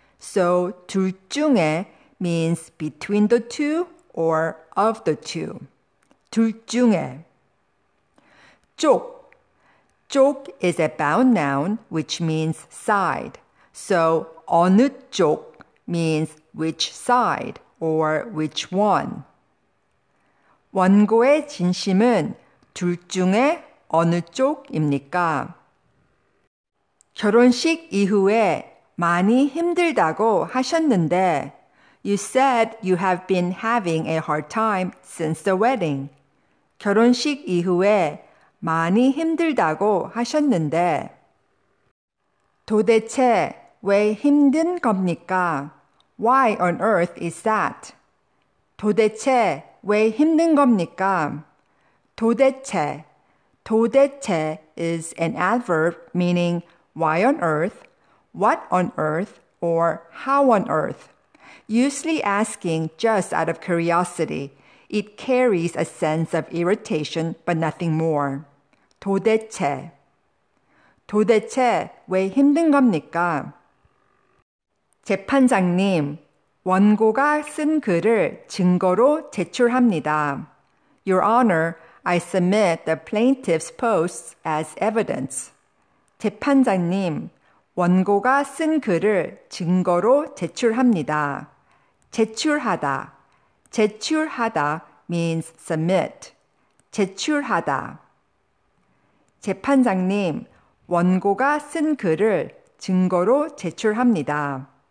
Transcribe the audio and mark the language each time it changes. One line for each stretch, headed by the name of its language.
English: So, 둘 중에 means between the two or of the two.
Korean: 둘 중에. 쪽.
English: 쪽 is a bound noun which means side. So, 어느 쪽 means which side or which one.
Korean: 원고의 진심은 둘 중에 어느 쪽입니까? 결혼식 이후에 많이 힘들다고 하셨는데
English: You said you have been having a hard time since the wedding.
Korean: 결혼식 이후에 많이 힘들다고 하셨는데 도대체 왜 힘든 겁니까?
English: Why on earth is that?
Korean: 도대체 왜 힘든 겁니까?
English: 도대체 도대체 is an adverb meaning why on earth, what on earth, or how on earth. Usually asking just out of curiosity, it carries a sense of irritation but nothing more.
Korean: 도대체 도대체 왜 힘든 겁니까? 재판장님, 원고가 쓴 글을 증거로 제출합니다.
English: Your Honor, I submit the plaintiff's posts as evidence.
Korean: 재판장님, 원고가 쓴 글을 증거로 제출합니다. 제출하다. 제출하다
English: means submit.
Korean: 제출하다. 재판장님, 원고가 쓴 글을 증거로 제출합니다.